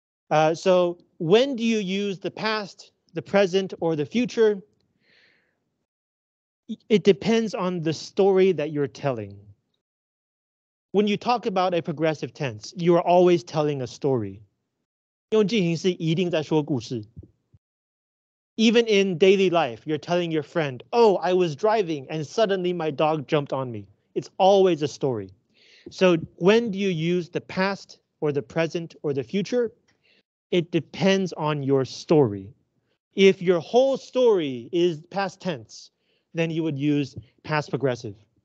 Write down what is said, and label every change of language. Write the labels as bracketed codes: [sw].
[en] So when do you use the past, the present, or the future? It depends on the story that you're telling. When you talk about a progressive tense, you are always telling a story. [zh] 用进行式一定在说故事. [en] Even in daily life, you're telling your friend, oh, I was driving and suddenly my dog jumped on me. It's always a story. So when do you use the past or the present or the future? It depends on your story. If your whole story is past tense, then you would use past progressive.